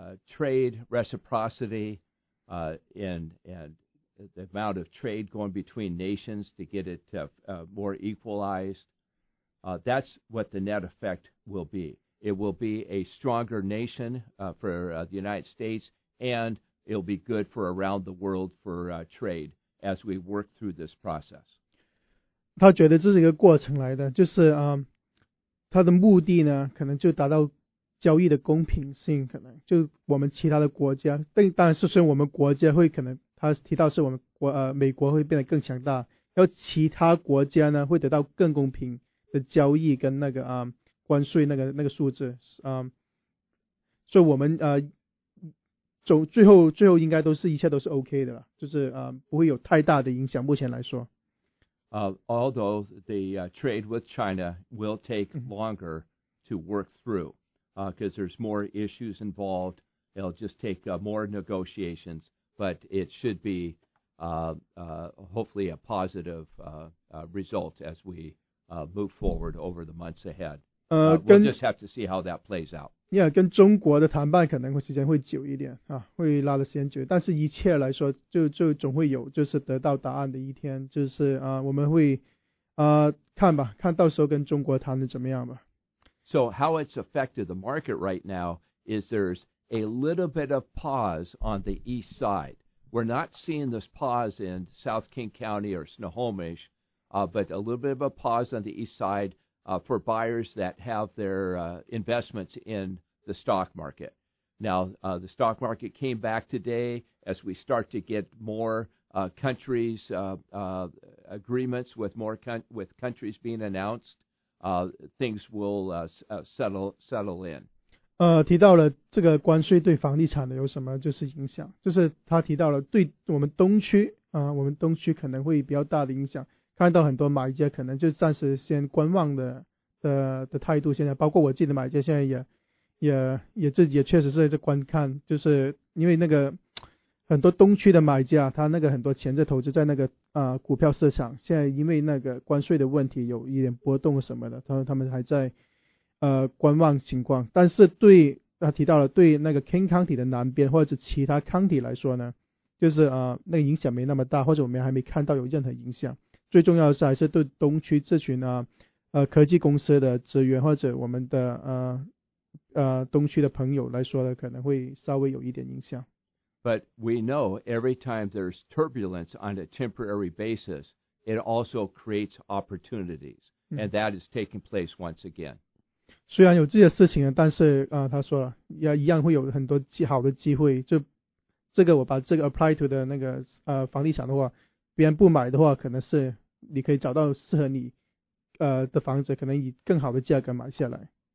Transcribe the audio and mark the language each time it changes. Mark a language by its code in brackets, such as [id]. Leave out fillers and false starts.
[en] Trade reciprocity and the amount of trade going between nations to get it more equalized. That's what the net effect will be. It will be a stronger nation for the United States, and it'll be good for around the world for trade as we work through this process. [zh] 他觉得这是一个过程来的，就是他的目的呢，可能就达到交易的公平性，可能就我们其他的国家，但当然是说我们国家会可能，他提到是我们国美国会变得更强大，然后其他国家呢会得到更公平的交易跟那个关税那个数字所以我们最后应该都是一切都是 OK 的了，就是不会有太大的影响，目前来说。 [en] Although the trade with China will take longer to work through, because there's more issues involved, it'll just take more negotiations, but it should be hopefully a positive result as we move forward over the months ahead. We'll just have to see how that plays out. [zh] Yeah, 跟中国的谈判可能时间会久一点，会拉的时间久，但是一切来说就总会有就是得到答案的一天，就是我们会看吧，看到时候跟中国谈的怎么样吧。 [en] So how it's affected the market right now is there's a little bit of pause on the east side. We're not seeing this pause in South King County or Snohomish, but a little bit of a pause on the east side for buyers that have their investments in the stock market. Now, the stock market came back today as we start to get more countries, agreements with more with countries being announced. Things will settle in. [zh] 提到了这个关税对房地产的有什么就是影响，就是他提到了对我们东区，我们东区可能会比较大的影响，看到很多买家可能就暂时先观望的态度，现在包括我自己的买家现在也自己也确实是在观看，就是因为那个很多东区的买家他那个很多钱在投资在那个股票市场，现在因为那个关税的问题有一点波动什么的，他们还在观望情况。但是对他提到了对那个 King County 的南边或者其他 County 来说呢，就是那个影响没那么大，或者我们还没看到有任何影响。最重要的是还是对东区这群科技公司的职员或者我们的东区的朋友来说的可能会稍微有一点影响。 [en] But we know every time there's turbulence on a temporary basis, it also creates opportunities, and that is taking place once again. [zh] 虽然有这些事情，但是他说了，一样会有很多好的机会。就这个，我把这个 [en] apply to [zh] 的那个房地产的话，别人不买的话，可能是你可以找到适合你的房子，可能以更好的价格买下来。